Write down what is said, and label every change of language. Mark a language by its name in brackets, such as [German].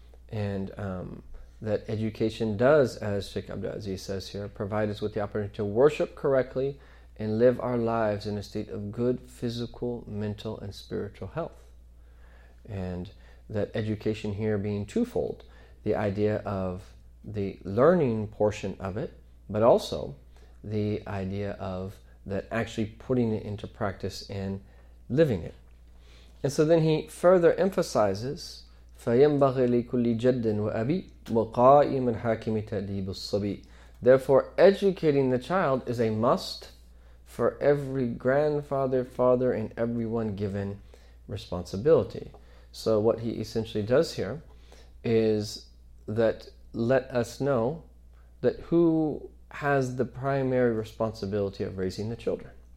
[English] And that education does, as Sheikh Abdulaziz says here, provide us with the opportunity to worship correctly and live our lives in a state of good physical, mental, and spiritual health. And that education here being twofold, the idea of the learning portion of it, but also the idea of that actually putting it into practice and living it. And so then he further emphasizes, [Arabic] فَيَنْبَغِ لِكُلِّ جَدٍ وَأَبِي وَقَائِمٍ حَاكِمِ تَدِيبُ الصَّبِيِّ. [English] Therefore, educating the child is a must for every grandfather, father, and everyone given responsibility. So what he essentially does here is that let us know that who has the primary responsibility of raising the children.